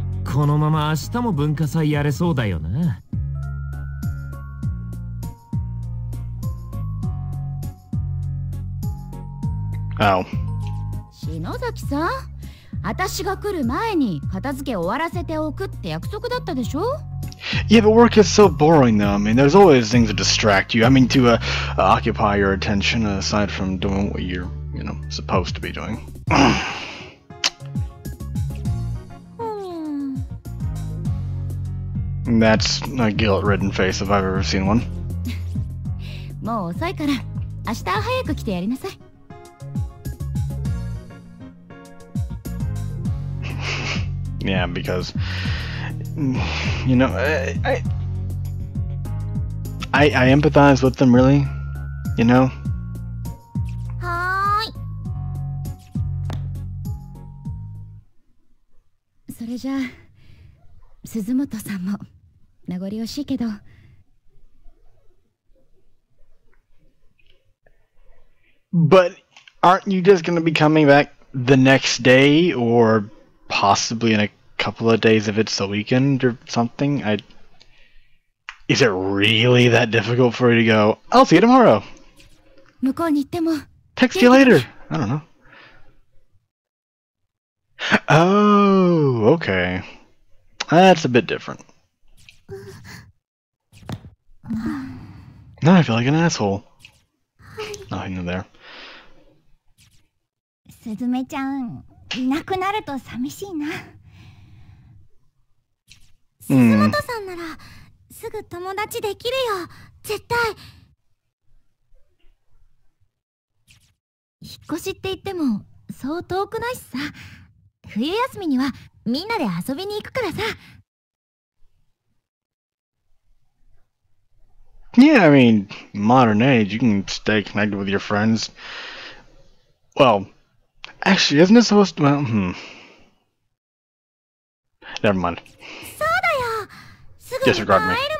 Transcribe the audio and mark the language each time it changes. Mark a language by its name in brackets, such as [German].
[Japanese] このまま明日も文化祭やれそうだよな。 Oh. 篠崎さん、私が来る前に片付け終わらせておくって約束だったでしょ？ [English] Yeah, but work is so boring, though. I mean, there's always things to distract you. I mean, to occupy your attention, aside from doing what you're, you know, supposed to be doing. That's a guilt-ridden face if I've ever seen one. [Japanese] もう遅いから、明日早く来てやりなさい。 [English] Yeah, because... You know, I empathize with them, really. You know? Hi. [Japanese] それじゃ、鈴本さんも名残惜しいけど。 [English] But aren't you just gonna be coming back the next day, or possibly in a... Couple of days if it's the weekend or something. Is it really that difficult for you to go? I'll see you tomorrow. [Japanese] 向こうに行っても [English] Text you later. I don't know. Oh, okay. That's a bit different. Now I feel like an asshole. Nothing in there. [Japanese] Suzume-chan, いなくなると寂しいな。鈴本さんなら、すぐ友達できるよ、絶対。引っ越しって言っても、そう遠くないしさ。冬休みには、みんなで遊びに行くからさ。 [English] Yeah, I mean, modern age, you can stay connected with your friends. Well, actually, isn't it supposed to, well, Never mind. Disregard me.